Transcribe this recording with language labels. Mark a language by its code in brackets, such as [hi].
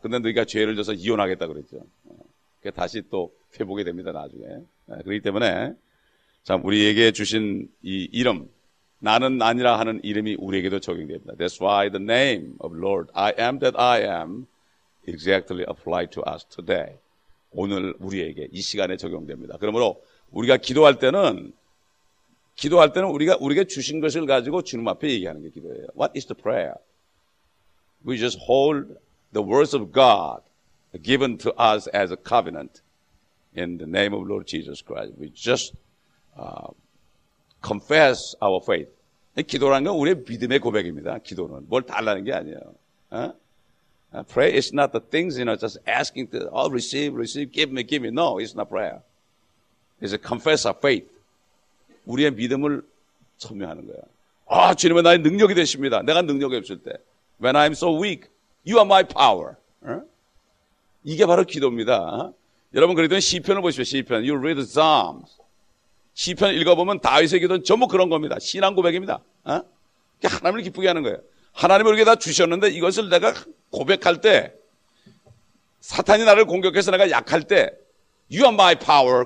[ko] 근데 너희가 죄를 져서 이혼하겠다 그랬죠. 그게 다시 또 회복이 됩니다 나중에. 그렇기 때문에 참 우리에게 주신 이 이름 나는 아니라 하는 이름이 우리에게도 적용됩니다. [en] That's why the name of Lord I am that I am exactly applied to us today. [ko] 오늘 우리에게 이 시간에 적용됩니다. 그러므로 우리가 기도할 때는 우리에게 주신 것을 가지고 주님 앞에 얘기하는 게 기도예요. [en] What is the prayer? We just hold the words of God given to us as a covenant in the name of Lord Jesus Christ. We just confess our faith. [ko] 기도라는 건 우리의 믿음의 고백입니다. 기도는 뭘 달라는 게 아니에요. [en] Pray is not the things, you know, just asking to, oh, receive, give me. No, it's not prayer. It's a confess of faith. [ko] 우리의 믿음을 천명하는 거야. 아, 주님은 나의 능력이 되십니다. 내가 능력이 없을 때. [en] When I'm so weak, you are my power. [ko] 이게 바로 기도입니다. 여러분, 그랬던 시편을 보십시오. [en] 시편. You read the Psalms. [ko] 시편 읽어보면 다윗의 기도는 전부 그런 겁니다. 신앙 고백입니다. 이게 하나님을 기쁘게 하는 거예요. 하나님이 우리에게 다 주셨는데 이것을 내가 고백할 때 사탄이 나를 공격해서 내가 약할 때 [en] You are my power.